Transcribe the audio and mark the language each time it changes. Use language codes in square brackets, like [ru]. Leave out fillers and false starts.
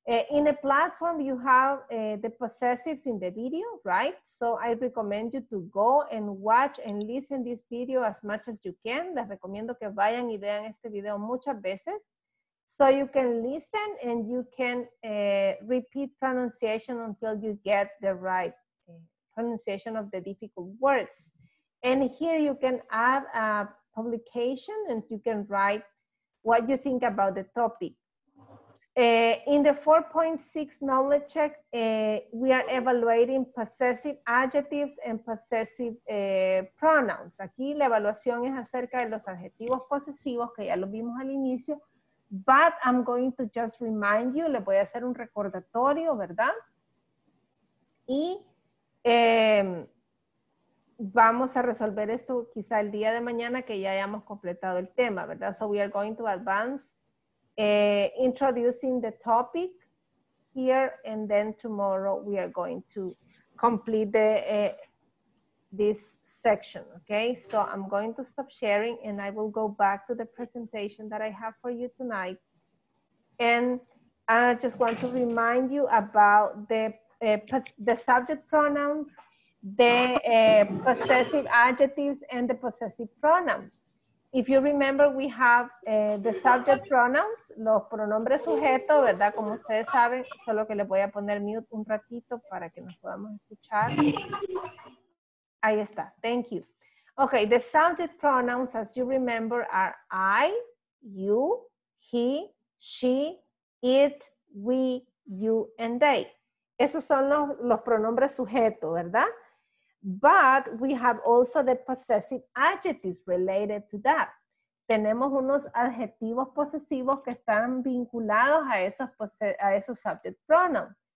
[en] In a platform, you have the possessives in the video, right? So I recommend you to go and watch and listen this video as much as you can. [es] Les recomiendo que vayan y vean este video muchas veces. [en] So you can listen and you can repeat pronunciation until you get the right pronunciation of the difficult words. And here you can add a publication and you can write what you think about the topic. In the 4.6 knowledge check, we are evaluating possessive adjectives and possessive pronouns. [es] Aquí la evaluación es acerca de los adjetivos posesivos que ya lo vimos al inicio. [en] But I'm going to just remind you, [es] le voy a hacer un recordatorio, ¿verdad? Y vamos a resolver esto quizá el día de mañana que ya hayamos completado el tema, ¿verdad? [en] So we are going to advance. Introducing the topic here, and then tomorrow we are going to complete the this section, okay? So I'm going to stop sharing and I will go back to the presentation that I have for you tonight. And I just want to remind you about the subject pronouns, the possessive adjectives, and the possessive pronouns. If you remember, we have the subject pronouns, [es] los pronombres sujeto, ¿verdad? Como ustedes saben, solo que les voy a poner mute un ratito para que nos podamos escuchar. Ahí está, [en] thank you. Okay, the subject pronouns, as you remember, are I, you, he, she, it, we, you, and they. [es] Esos son los pronombres sujeto, ¿verdad? [en] But we have also the possessive adjectives related to that. [es] Tenemos unos adjetivos posesivos que están vinculados a esos subject pronouns.